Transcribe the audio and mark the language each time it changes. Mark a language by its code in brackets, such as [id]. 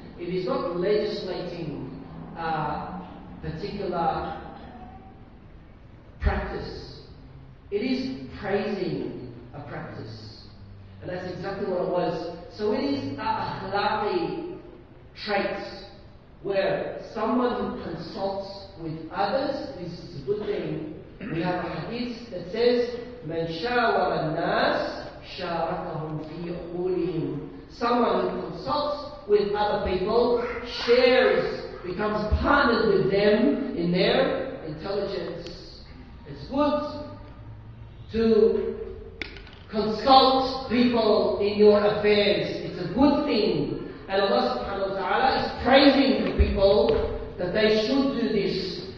[en] It is not legislating a particular practice. It is praising a practice. And that's exactly what it was. So it is a akhlaqi trait where someone who consults with others, this is a good thing. We have a hadith that says, [ar] من شاور الناس شاركهم في أقولهم. [en] Someone who consults with other people, shares, becomes partnered with them in their intelligence. It's good to consult people in your affairs. It's a good thing. And Allah subhanahu wa ta'ala is praising the people that they should do this.